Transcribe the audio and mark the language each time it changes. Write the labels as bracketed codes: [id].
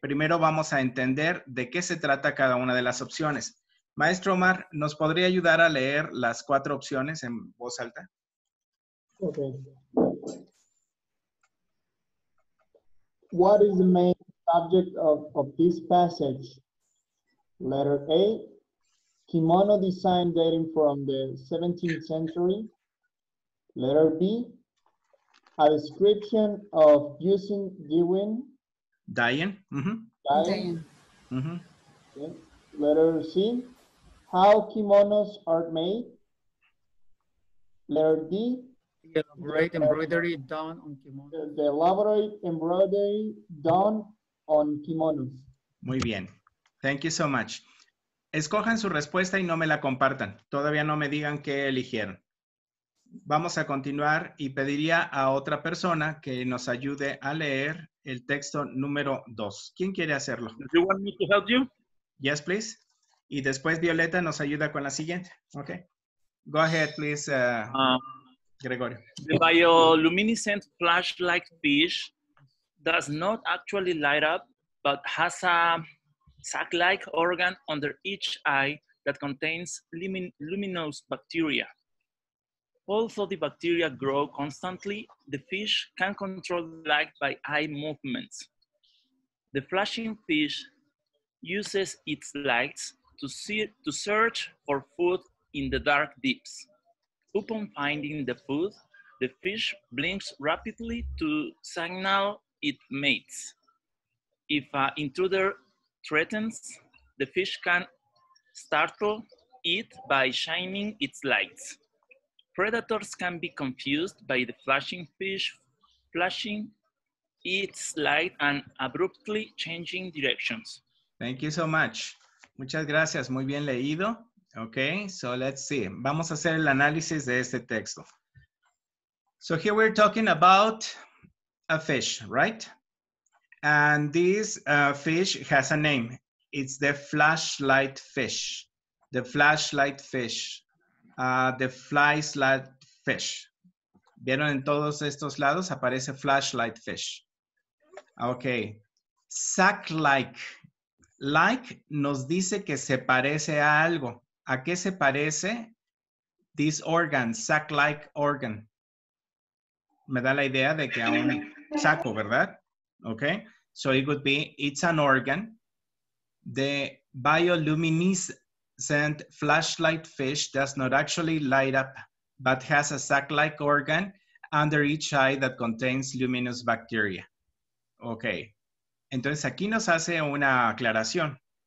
[es] Primero vamos a entender de qué se trata cada una de las opciones. Maestro Omar, ¿nos podría ayudar a leer las cuatro opciones en voz alta? [en] Okay. What is the main subject of this passage? Letter A, kimono design dating from the 17th century. Letter B, a description of using dyeing. Dyeing. Letter C, How kimonos are made? Letter D. Elaborate embroidery done on kimonos. The elaborate embroidery done on kimonos. [es] Muy bien. [en] Thank you so much. [es] Escojan su respuesta y no me la compartan. Todavía no me digan qué eligieron. Vamos a continuar y pediría a otra persona que nos ayude a leer el texto número 2. ¿Quién quiere hacerlo? [en] Do you want me to help you? Yes, please. [es] Y después Violeta nos ayuda con la siguiente. [en] Okay. Go ahead, please, Gregorio. The bioluminescent flashlight fish does not actually light up, but has a sac-like organ under each eye that contains luminous bacteria. Although the bacteria grow constantly, the fish can control light by eye movements. The flashing fish uses its lights to search for food in the dark deeps. Upon finding the food, the fish blinks rapidly to signal its mates. If an intruder threatens, the fish can startle it by shining its lights. Predators can be confused by the flashing fish flashing its light and abruptly changing directions. Thank you so much. [es] Muchas gracias. Muy bien leído. [en] Okay, so let's see. [es] Vamos a hacer el análisis de este texto. [en] So here we're talking about a fish, right? And this fish has a name. It's the flashlight fish. The flashlight fish. The fly slat fish. [es] ¿Vieron en todos estos lados? Aparece flashlight fish. Okay. Sack-like. Like nos dice que se parece a algo. ¿A qué se parece [en] this organ, sack-like organ? [es] Me da la idea de que a un saco, ¿verdad? [en] Okay. So it would be, it's an organ. The bioluminescent flashlight fish does not actually light up, but has a sac-like organ under each eye that contains luminous bacteria. [es] Okay. Entonces aquí nos hace una aclaración.